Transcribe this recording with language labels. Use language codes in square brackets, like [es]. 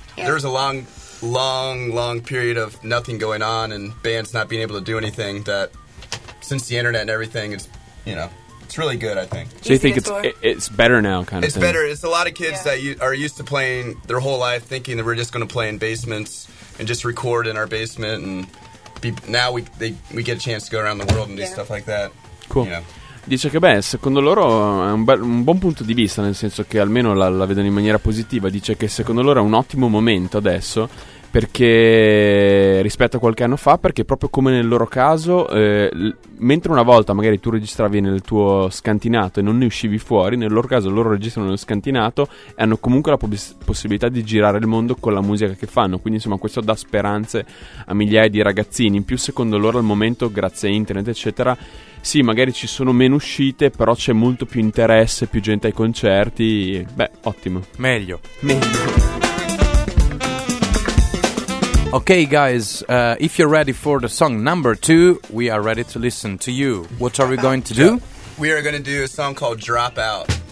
[en] there's a long period of nothing going on and bands not being able to do anything, that since the internet and everything, it's, you know, it's really good, I think. So you think it's better now, kind of? It's better. It's a lot of kids that are used to playing their whole life thinking that we're just going to play in basements and just record in our basement, and now we get a chance to go around the world and do stuff like that. Cool. You know? [it] Dice che secondo loro è un buon punto di vista, nel senso che almeno la vedono in maniera positiva. Dice che secondo loro è un ottimo momento adesso, perché rispetto a qualche anno fa, perché proprio come nel loro caso, mentre una volta magari tu registravi nel tuo scantinato e non ne uscivi fuori, nel loro caso loro registrano nel scantinato e hanno comunque la possibilità di girare il mondo con la musica che fanno. Quindi insomma, questo dà speranze a migliaia di ragazzini. In più, secondo loro, al momento, grazie a internet eccetera, sì, magari ci sono meno uscite, però c'è molto più interesse, più gente ai concerti. Beh, ottimo. Meglio. Meglio. [en] Okay, guys, if you're ready for the song number two, we are ready to listen to you. What are we going to do? We are going to do a song called Dropout.